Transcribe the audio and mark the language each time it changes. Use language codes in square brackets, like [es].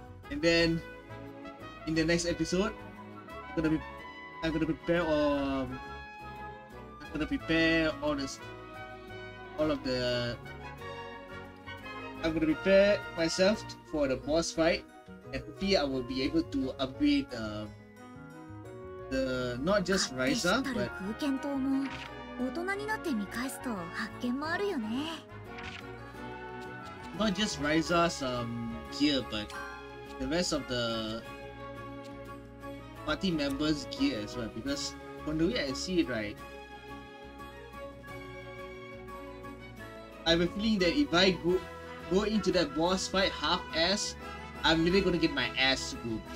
[en] And then, in the next episode, I'm gonna prepare myself for the boss fight. And hopefully, I will be able to upgrade the not just Ryza, but. [ja] 大人になって見返すと発見もあるよね。 [en] Not just Ryza's gear, but the rest of the party members' gear as well. Because from the way I see it, right, I have a feeling that if I go into that boss fight half ass, I'm really gonna get my ass whooped.